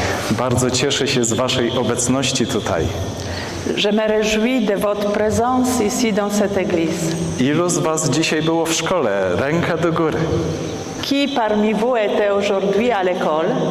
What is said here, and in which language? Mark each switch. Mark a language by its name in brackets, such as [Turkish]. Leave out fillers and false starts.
[Polish] Bardzo cieszę się z waszej obecności tutaj. [French] Je me réjouis de votre présence ici dans cette église. [Polish] Ilu z was dzisiaj było w szkole? Ręka do góry. [French] Qui parmi vous était aujourd'hui à l'école?